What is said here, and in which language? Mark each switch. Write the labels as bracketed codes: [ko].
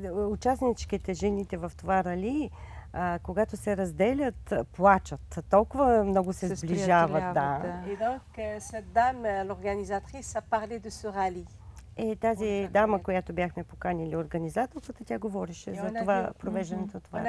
[bg] Участничките, жените в това рали, когато се разделят, плачат. Толкова много се сближават, да. [fr] И donc cette dame l'organisatrice a parlé de ce rallye. [bg] Е, тази дама, която бяхме поканили организаторката, тя говореше за това провеждането това рали.